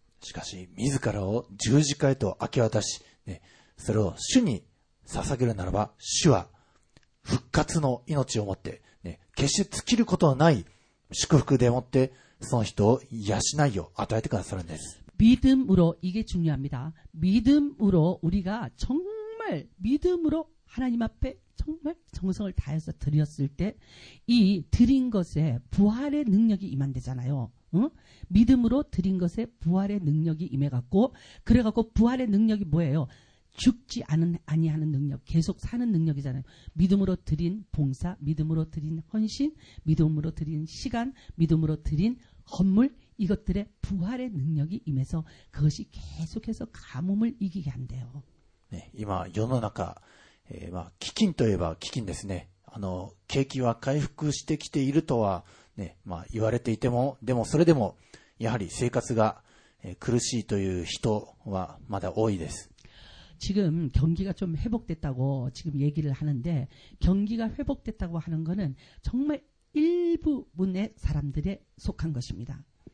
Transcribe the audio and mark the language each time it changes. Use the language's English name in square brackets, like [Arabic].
[Japanese] しかし自らを十字架へと明け渡し、ね、それを主に捧げるならば主は復活の命をもって、ね、決して尽きることのない祝福でもってその人を養いを与えてくださるんです [Korean] 믿음으로이게중요합니다믿음으로우리가정말믿음으로하나님앞에정 정말 정성을 다해서 드렸을 때 이 드린 것에 부활의 능력이 임한대잖아요. 응? 믿음으로 드린 것에 부활의 능력이 임해갖고 그래갖고 부활의 능력이 뭐예요? 죽지 않은 아니하는 능력, 계속 사는 능력이잖아요. 믿음으로 드린 봉사, 믿음으로 드린 헌신, 믿음으로 드린 시간, 믿음으로 드린 헌물, 이것들의 부활의 능력이 임해서 그것이 계속해서 가뭄을 이기게 한대요. [Japanese] 네, 今世の中、まあ基金といえば基金ですね。あの景気は回復してきているとはね、まあ言われていても、でもそれでもやはり生活が、苦しいという人はまだ多いです。 [Korean] 지금경기가좀회복됐다고지금얘기를하는데경기가회복됐다고하는것은정말일부분의사람들에속한것입니다